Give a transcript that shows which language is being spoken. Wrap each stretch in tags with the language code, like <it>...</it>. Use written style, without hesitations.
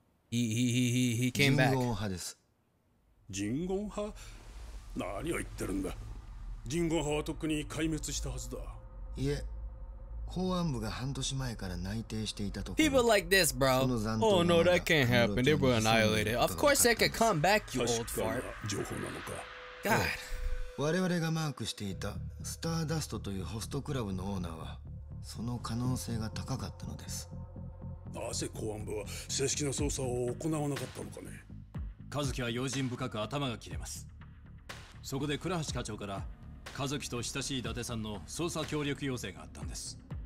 <en>He came back.</en> <ja>人言派です。人言派？何を言ってるんだ。人言派はとっくに壊滅したはずだ。いえ。公安部が半年前から内定していたところ。</ja> <en>People like this, bro. Oh no, that can't happen. They were annihilated. Of course, they could come back, you old fart.</en> <ja>情報なのか。</ja> <en>God.</en> <ja>我々がマークしていたスターダストというホストクラブのオーナーはその可能性が高かったのです。なぜ公安部は正式な捜査を行わなかったのかね。和樹は用心深く頭が切れます。そこで倉橋課長から和樹と親しい伊達さんの捜査協力要請があったんです。</ja>